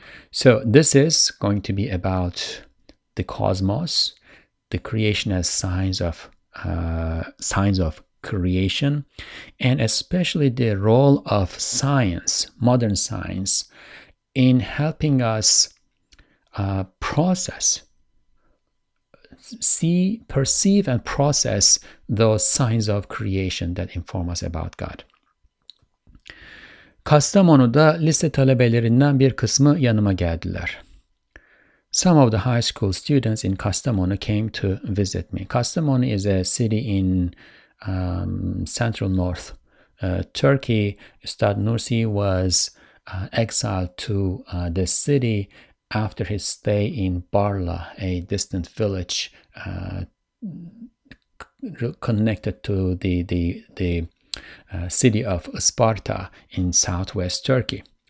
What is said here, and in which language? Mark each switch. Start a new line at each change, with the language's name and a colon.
English: So this is going to be about the cosmos, the creation as signs of creation, and especially the role of science, modern science, in helping us perceive and process those signs of creation that inform us about God.
Turkish: Kastamonu'da lise talebelerinden bir kısmı yanıma geldiler.
English: Some of the high school students in Kastamonu came to visit me. Kastamonu is a city in central north Turkey. Üstad Nursi was exiled to the city after his stay in Barla, a distant village connected to the city of Sparta in southwest Turkey.